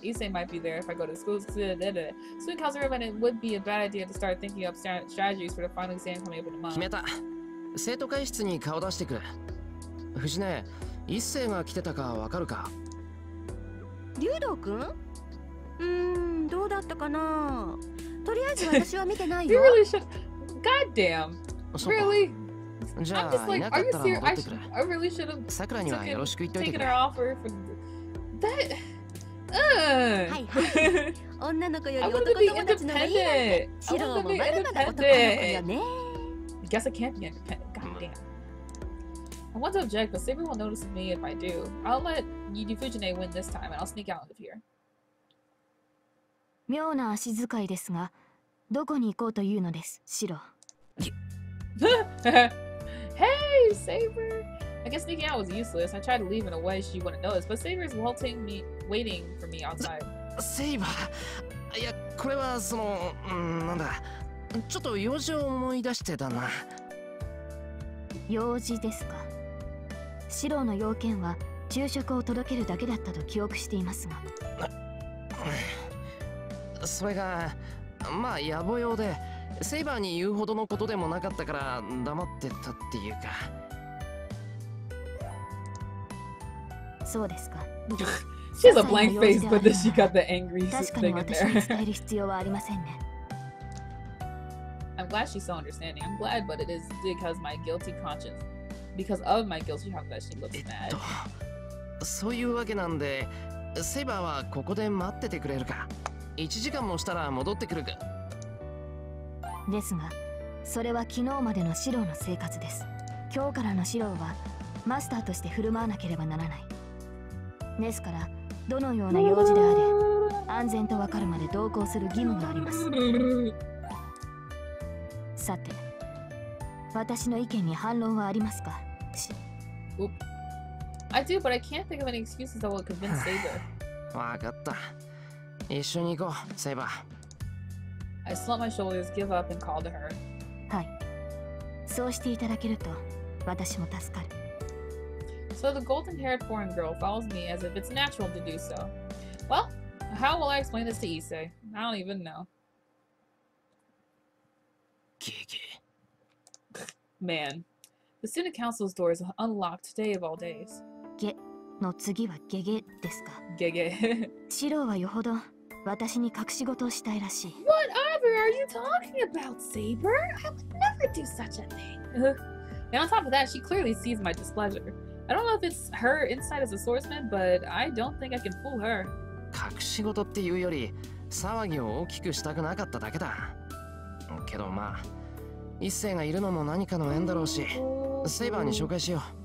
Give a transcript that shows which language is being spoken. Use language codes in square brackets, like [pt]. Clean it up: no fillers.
[en] Issei might be there if I go to school. Student council room, and it would be a bad idea to start thinking up strategies for the final exam coming up in a month. [ja] 決めた。生徒会室に顔出してくれ。藤根、一星が来てたかわかるか？龍道くん？どうだったかな。とりあえず私は見てないよ。 [en] really should... God damn. Really? I'm just like, are you serious? I really should have taken her offer for... That... [ja] はいはい。女の子より男友達の方がいいなんて。シロウもまだまだ男の子よね。 [en] I guess I can't be independent. God damn. I want to object, but Saber will notice me if I do. I'll let Yifujine win this time, and I'll sneak out of here. [ja] 妙な足遣いですが、どこに行こうというのです、シロ。 [en] Hey, Saber! I guess sneaking out was useless. I tried to leave in a way she wouldn't notice, but Saber is waiting for me outside. Saber! [ja] いや、これはその、なんだ。ちょっと用事を思い出してたな。用事ですか。シロの要件は昼食を届けるだけだったと記憶していますが、それがまあ野暮用でセイバーに言うほどのことでもなかったから黙ってたっていうか。そうですか。 [en] She has a blank face, but then she got the angry thing in there. [ja] 確かに私に伝える必要はありませんね。 [en] I'm glad she's so understanding. I'm glad, but it is because my guilty conscience. Because of my guilt, she looks mad. [ja] そういうわけなんで、セイバーはここで待っててくれるか。 1時間もしたら戻ってくるか。ですが、それは昨日までのシローの生活です。今日からのシローはマスターとして振る舞わなければならない。ですから、どのような用事であれ、安全と分かるまで同行する義務があります。さて。私の意見に反論はありますか。 [en] I do, but I can't think of any excuses that will convince Saber. [ja] わかった。一緒に行こう、セイバー。 [en] I slumped my shoulders, give up, and called her. [ja] はい。そうしていただけると、私も助かる。 [en] So the golden-haired foreign girl follows me as if it's natural to do so. Well, how will I explain this to Issei? I don't even know. Kiki. Man, the student council's door is unlocked today of all days. [ja] Ge の次はゲゲですか。ゲゲ。シロはよほど私に隠し事をしたいらしい。 [en] What ever are you talking about, Saber? I would never do such a thing. And on top of that, she clearly sees my displeasure. I don't know if it's her insight as a swordsman, but I don't think I can fool her. [ja] 隠し事っていうより騒ぎを大きくしたくなかっただけだ。けどまあ。一世がいるのも何かの縁だろうし、セイバーに紹介しよう。